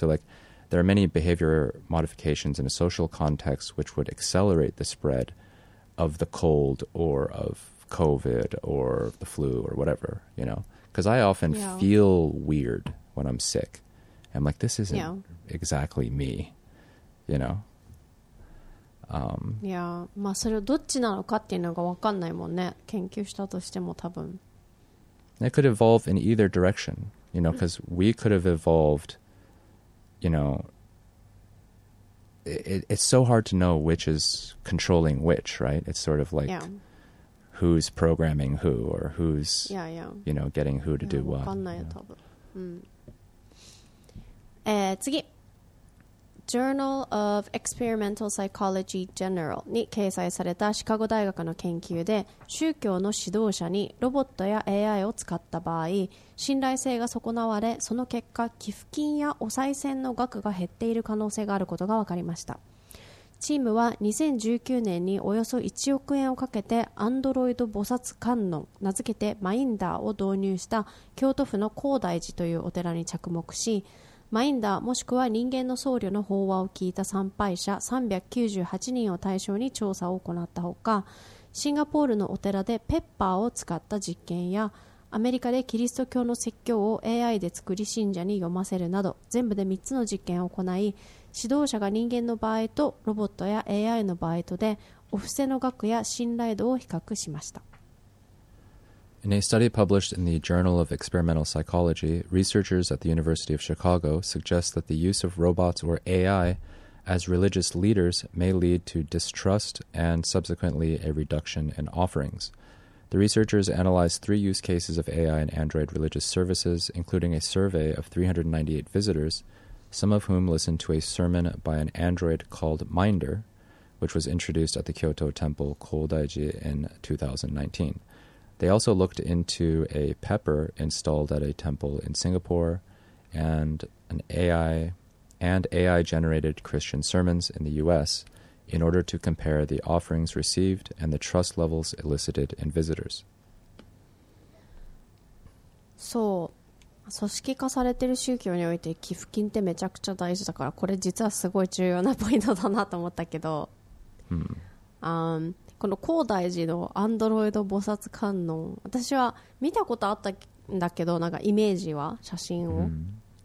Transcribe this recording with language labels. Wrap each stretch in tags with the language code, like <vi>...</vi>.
<en>So, like, there are many behavior modifications in a social context which would accelerate the spread of the cold or of COVID or the flu or whatever, you know? Because I often feel weird when I'm sick. I'm like, this isn't exactly me, you know?</en> <ja>いやまあそれをどっちなのかっていうのが分かんないもんね研究したとしても多分</ja> <en>It could evolve in either direction you know because we could have evolved you know it's so hard to know which is controlling which right it's sort of like who's programming who or who's you know getting who to do what</en> <ja>分かんないよ多分、次Journal of Experimental Psychology General に掲載されたシカゴ大学の研究で宗教の指導者にロボットや AI を使った場合信頼性が損なわれその結果寄付金やお賽銭の額が減っている可能性があることが分かりましたチームは2019年におよそ1億円をかけてアンドロイド菩薩観音名付けてマインダーを導入した京都府の高台寺というお寺に着目しマインダーもしくは人間の僧侶の法話を聞いた参拝者398人を対象に調査を行ったほかシンガポールのお寺でペッパーを使った実験やアメリカでキリスト教の説教を AI で作り信者に読ませるなど全部で3つの実験を行い指導者が人間の場合とロボットや AI の場合とでお布施の額や信頼度を比較しました</ja> <en>In a study published in the Journal of Experimental Psychology, researchers at the University of Chicago suggest that the use of robots or AI as religious leaders may lead to distrust and subsequently a reduction in offerings. The researchers analyzed three use cases of AI in Android religious services, including a survey of 398 visitors, some of whom listened to a sermon by an Android called Minder, which was introduced at the Kyoto Temple Kodaiji in 2019. They also looked into a pepper installed at a temple in Singapore and AI-generated Christian sermons in the U.S. in order to compare the offerings received and the trust levels elicited in visitors. So,</en> <ja>組織化されてる宗教において寄付金ってめちゃくちゃ大事だから、これ実はすごい重要なポイントだなと思ったけど、うん、この高大寺のアンドロイド菩薩観音、私は見たことあったんだけど、なんかイメージは写真を、うん、</ja>